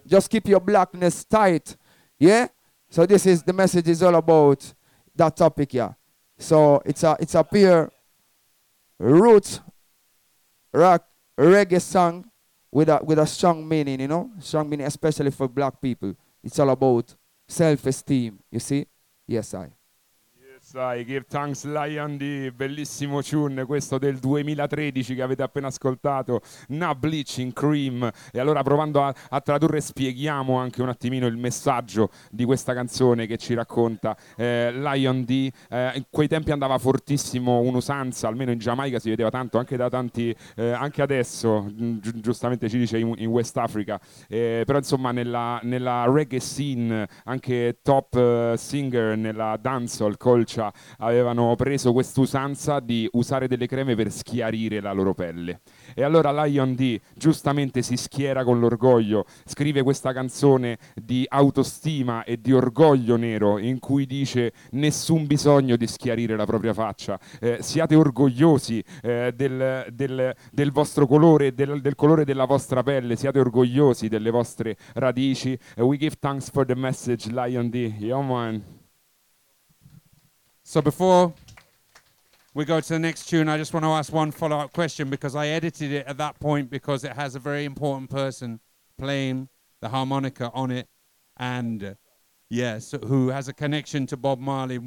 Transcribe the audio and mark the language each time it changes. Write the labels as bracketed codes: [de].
[en] Just keep your blackness tight. Yeah? So this is the message is all about that topic, yeah. So it's a pure root rock reggae song with a strong meaning, you know? Strong meaning, especially for black people. It's all about self-esteem, you see? Yes, I. Yes, [it] sai, [en] Give Thanks [it] Lion di bellissimo tune, questo del 2013 che avete appena ascoltato, Na Bleaching Cream. E allora, provando a tradurre, spieghiamo anche un attimino il messaggio di questa canzone che ci racconta Lion D. In quei tempi andava fortissimo un'usanza, almeno in Giamaica si vedeva tanto, anche da tanti, anche adesso, giustamente ci dice in West Africa, però insomma nella reggae scene anche top singer nella dancehall colcia avevano preso quest'usanza di usare delle creme per schiarire la loro pelle. E allora Lion D giustamente si schiera con l'orgoglio, scrive questa canzone di autostima e di orgoglio nero, in cui dice: nessun bisogno di schiarire la propria faccia, siate orgogliosi del vostro colore, del colore della vostra pelle, siate orgogliosi delle vostre radici. [en] We give thanks for the message, Lion D. Yo man. So before we go to the next tune, I just want to ask one follow-up question, because I edited it at that point because it has a very important person playing the harmonica on it, and so who has a connection to Bob Marley.